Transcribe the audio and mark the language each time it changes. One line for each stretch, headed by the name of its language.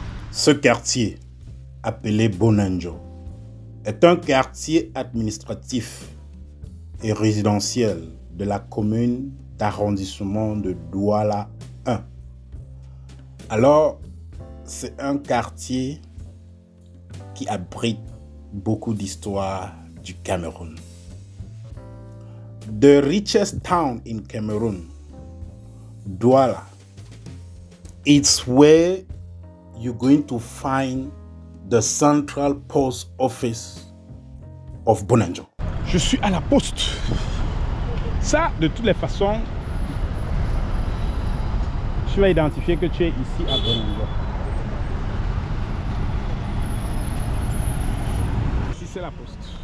French: Ce quartier, appelé Bonanjo, est un quartier administratif et résidentiel de la commune d'arrondissement de Douala 1. Alors, c'est un quartier qui abrite beaucoup d'histoires du Cameroun.
English: The richest town in Cameroon, Douala, it's where you're going to find the central post office of Bonanjo.
French: Je suis à la poste. Ça, de toutes les façons, tu vas identifier que tu es ici à Bonanjo. Ici, c'est la poste.